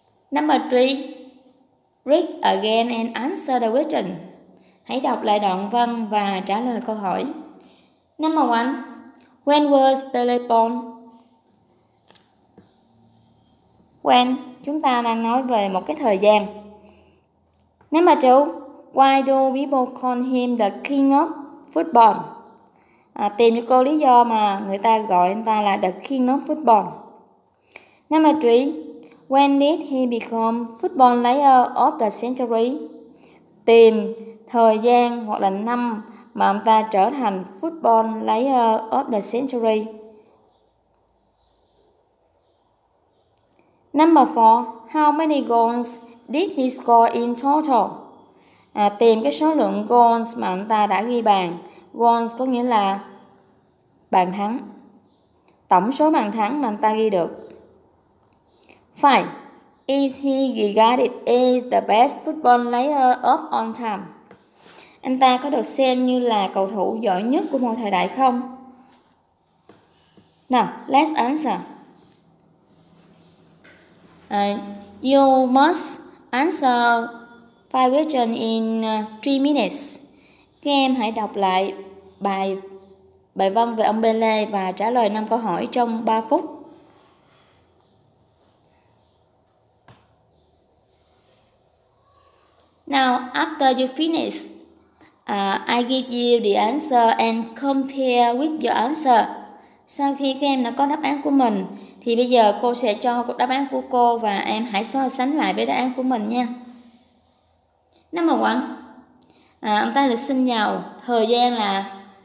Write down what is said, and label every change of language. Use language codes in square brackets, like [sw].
[en] Number 3. Read again and answer the question. [vi] Hãy đọc lại đoạn văn và trả lời câu hỏi. [en] Number 1. When was Pele born? [vi] When, chúng ta đang nói về một cái thời gian. [en] Number 2. Why do people call him the king of football? [vi] Tìm cho cô lý do mà người ta gọi anh ta là [en] the king of football. Number 3. When did he become football player of the century? [vi] Tìm thời gian hoặc là năm mà ông ta trở thành [en] football player of the century. Number 4. How many goals did he score in total? [vi] Tìm cái số lượng goals mà ông ta đã ghi bàn. Goals có nghĩa là bàn thắng. Tổng số bàn thắng mà ông ta ghi được. 5. [en] Is he regarded as the best football player of all time? [vi] Anh ta có được xem như là cầu thủ giỏi nhất của mọi thời đại không? [en] Now, let's answer. You must answer 5 questions in 3 minutes. [vi] Các em hãy đọc lại bài văn về ông Pele và trả lời 5 câu hỏi trong 3 phút. [en] Now, after you finish, I give you the answer and compare with your answer. [vi] Sau khi các em đã có đáp án của mình, thì bây giờ cô sẽ cho đáp án của cô và em hãy so sánh lại với đáp án của mình nha. [en] Number one, [vi] ông ta được sinh vào thời gian là...